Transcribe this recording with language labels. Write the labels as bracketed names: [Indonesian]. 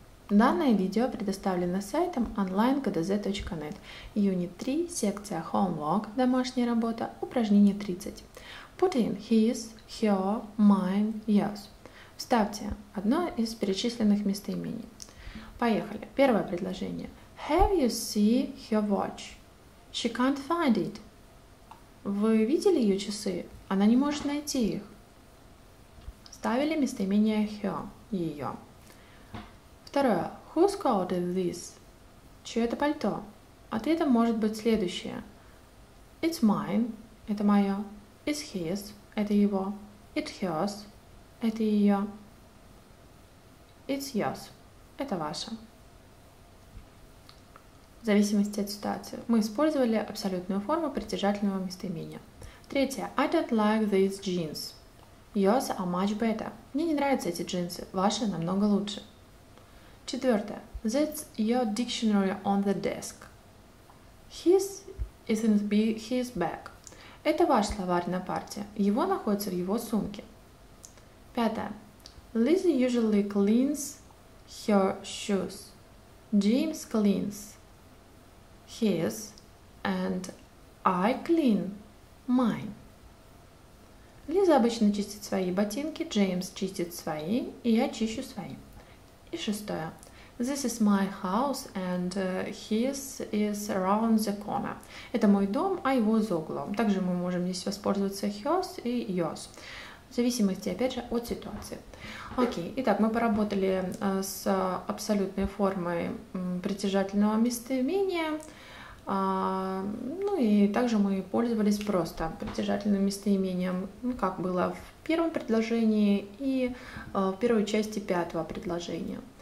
[Russian] Данное видео предоставлено сайтом online-gdz.net. Unit 3, секция Homework, домашняя работа, упражнение 30. [English] Put in his, her, mine, yours. [Russian] Вставьте одно из перечисленных местоимений. Поехали. Первое предложение. [English] Have you seen her watch? She can't find it. [Russian] Вы видели ее часы? Она не может найти их. Ставили местоимение her, ее. Второе. [English] Whose coat is this? [Russian] Чье это пальто? Ответом может быть следующее. [English] It's mine. [Russian] Это мое. [English] It's his. [Russian] Это его. [English] It's hers. [Russian] Это ее. [English] It's yours. [Russian] Это ваше. В зависимости от ситуации. Мы использовали абсолютную форму притяжательного местоимения. Третье. [English] I don't like these jeans. Yours are much better. [Russian] Мне не нравятся эти джинсы. Ваши намного лучше. Четвертое. [English] That's your dictionary on the desk. His is in his bag. [Russian] Это ваш словарь на парте. Его находится в его сумке. Пятое. [English] Lizzie usually cleans her shoes. James cleans his and I clean mine. [Russian] Лиза обычно чистит свои ботинки, Джеймс чистит свои, и я чищу свои. И шестое. [English] This is my house and his is around the corner. [Russian] Это мой дом, а его за углом. Также мы можем здесь воспользоваться his и yours. В зависимости, опять же, от ситуации. Окей, итак, мы поработали с абсолютной формой притяжательного местоимения. Ну и также мы пользовались просто притяжательным местоимением, ну, как было в первом предложении и в первой части пятого предложения.